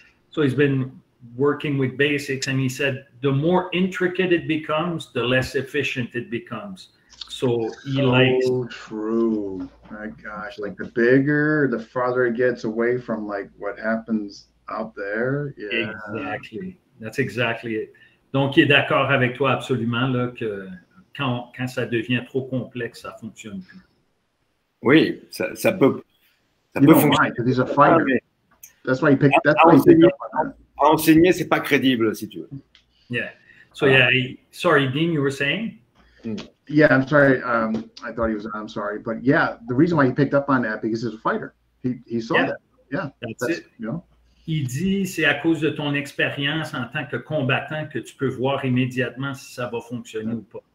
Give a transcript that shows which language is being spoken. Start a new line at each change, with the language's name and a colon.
English: So he's been working with basics. And he said the more intricate it becomes, the less efficient it becomes. So he likes... So true. My gosh. Like the bigger, the farther it gets away from like what happens... out there, yeah. Exactly. That's exactly it.
French: Donc, il est d'accord avec toi absolument là, que quand ça devient trop complexe, ça fonctionne plus. Oui, ça peut fonctionner.
English: He's a fighter. That's why he picked that.
French: Enseigner, c'est pas crédible, si tu veux.
English: Yeah. So, sorry, Dean, you were saying? Yeah, I'm sorry. I thought he was, I'm sorry. But yeah, the reason why he picked up on that, because he's a fighter. He saw that. Yeah, that's it.
French: Il dit, c'est à cause de ton expérience en tant que combattant que tu peux voir immédiatement si ça va fonctionner ou pas.